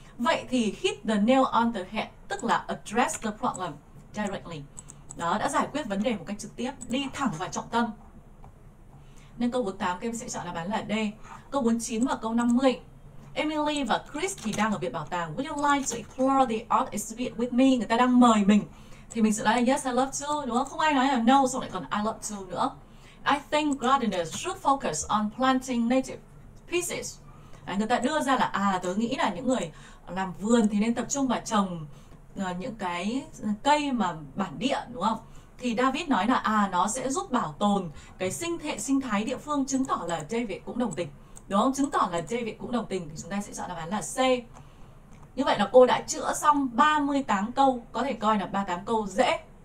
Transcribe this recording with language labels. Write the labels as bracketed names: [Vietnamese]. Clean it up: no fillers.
[Vietnamese] Vậy thì [English] hit the nail on the head [Vietnamese] tức là [English] address the problem directly. [Vietnamese] Đó, đã giải quyết vấn đề một cách trực tiếp, đi thẳng vào trọng tâm. Nên câu 48 các em sẽ chọn đáp án là D. Câu 49 và câu 50. Emily và Chris thì đang ở viện bảo tàng. [English] Would you like to explore the art exhibit with me? [Vietnamese] Người ta đang mời mình. Thì mình sẽ nói là [English] yes, I love to, [Vietnamese] đúng không? Không ai nói là no, xong lại còn [English] I love to [Vietnamese] nữa. [English] I think gardeners should focus on planting native pieces. [Vietnamese] À, người ta đưa ra là tớ nghĩ là những người làm vườn thì nên tập trung vào trồng những cái cây mà bản địa, đúng không? Thì David nói là nó sẽ giúp bảo tồn cái sinh hệ sinh thái địa phương, chứng tỏ là David cũng đồng tình. Đúng không? Chứng tỏ là David cũng đồng tình thì chúng ta sẽ chọn đáp án là C. Như vậy là cô đã chữa xong 38 câu, có thể coi là 38 câu dễ.